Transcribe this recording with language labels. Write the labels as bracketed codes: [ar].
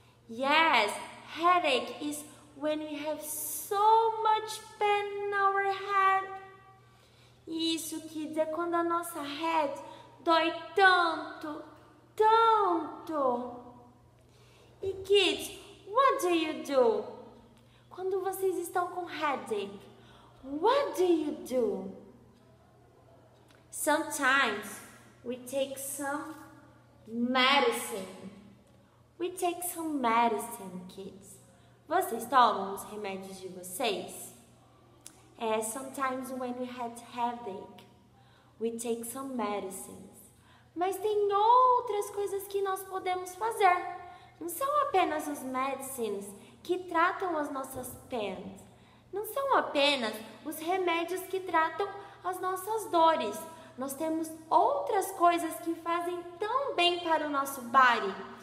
[en] Yes, headache is when we have so much pain in our head. [pt] Isso, kids, é quando a nossa head dói tanto, tanto. [en] E, kids, what do you do? [pt] Quando vocês estão com [en] headache, what do you do? Sometimes we take some medicine. We take some medicine, kids. [pt] Vocês tomam os remédios de vocês? [en] Sometimes when we have headache, we take some medicines. [pt] Mas tem outras coisas que nós podemos fazer. Não são apenas os medicines que tratam as nossas pains. Não são apenas os remédios que tratam as nossas dores. Nós temos outras coisas que fazem tão bem para o nosso body.